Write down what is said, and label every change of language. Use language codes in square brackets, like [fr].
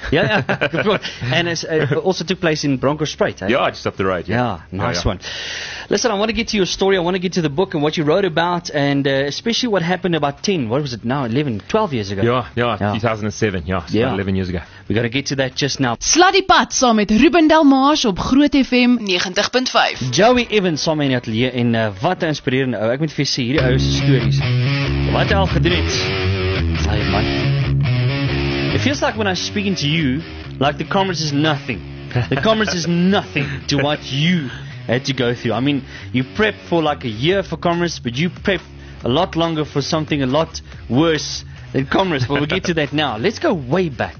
[en] And it also took place in Bronco Sprite, eh? Yeah, just up the road. One. Listen, I want to get to your story. I want to get to the book and what you wrote about, and especially what happened about 12 years ago. Yeah, 2007. Yeah, so about 11 years ago. We got to get to that just now. [af] Sla die pad saam met Ruben Delmarsh op Groot FM 90.5. Joey Evans saam in die atelier, en wat een inspirerende ou. Ek moet vir jy sê, hierdie ou se stories. Wat hy al gedoen het. Sla die man. [en] It feels like when I'm speaking to you, like the commerce is nothing. The commerce is nothing to what you had to go through. I mean, you prep for like a year for commerce, but you prep a lot longer for something a lot worse than commerce. But we'll get to that now. Let's go way back.